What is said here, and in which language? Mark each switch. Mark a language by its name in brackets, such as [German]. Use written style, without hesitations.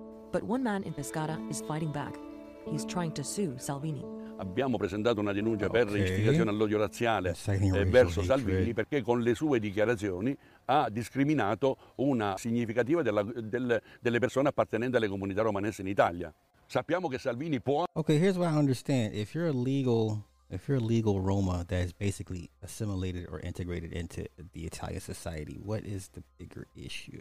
[English] But one man in Pescara is fighting back. He's trying to sue Salvini. [Italian] Abbiamo presentato una denuncia per istigazione all'odio razziale verso Salvini perché con le sue dichiarazioni ha discriminato una significativa delle persone appartenenti alle comunità romanesse in Italia. Sappiamo che Salvini può. [English] Okay, here's what I understand. If you're a legal Roma that is basically assimilated or integrated into the Italian society, what is the bigger issue?